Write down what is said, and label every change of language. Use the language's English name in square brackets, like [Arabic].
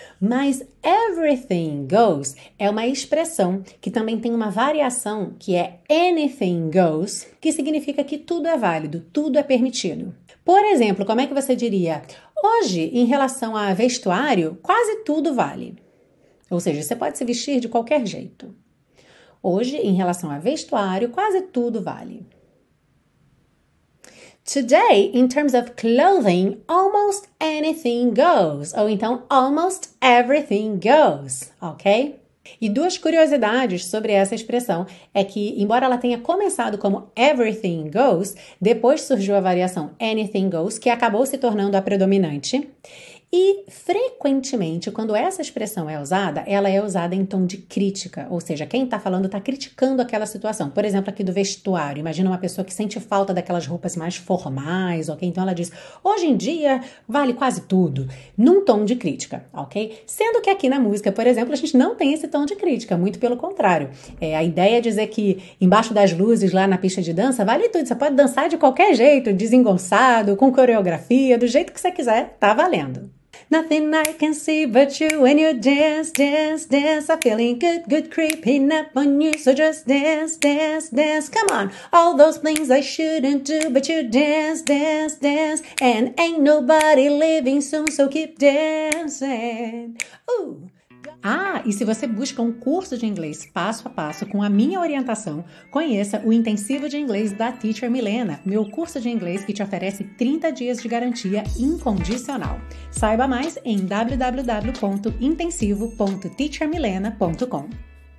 [Portuguese] Mas everything goes é uma expressão que também tem uma variação, que é anything goes, que significa que tudo é válido, tudo é permitido. Por exemplo, como é que você diria? Hoje, em relação a vestuário, quase tudo vale. Ou seja, você pode se vestir de qualquer jeito. Hoje, em relação a vestuário, quase tudo vale. [English] Today, in terms of clothing, almost anything goes. Ou então, almost everything goes, ok? [Portuguese] E duas curiosidades sobre essa expressão é que, embora ela tenha começado como everything goes, depois surgiu a variação anything goes, que acabou se tornando a predominante. E, frequentemente, quando essa expressão é usada, ela é usada em tom de crítica. Ou seja, quem está falando está criticando aquela situação. Por exemplo, aqui do vestuário. Imagina uma pessoa que sente falta daquelas roupas mais formais, ok? Então, ela diz, hoje em dia, vale quase tudo. Num tom de crítica, ok? Sendo que aqui na música, por exemplo, a gente não tem esse tom de crítica. Muito pelo contrário. É, a ideia é dizer que, embaixo das luzes, lá na pista de dança, vale tudo. Você pode dançar de qualquer jeito, desengonçado, com coreografia, do jeito que você quiser, tá valendo. [English] Nothing I can see but you when you dance, dance, dance. I'm feeling good, good, creeping up on you. So just dance, dance, dance. Come on, all those things I shouldn't do, but you dance, dance, dance. And ain't nobody leaving soon, so keep dancing. Ooh. [Portuguese] Ah, e se você busca um curso de inglês passo a passo com a minha orientação, conheça o Intensivo de Inglês da Teacher Milena, meu curso de inglês que te oferece 30 dias de garantia incondicional. Saiba mais em www.intensivo.teachermilena.com.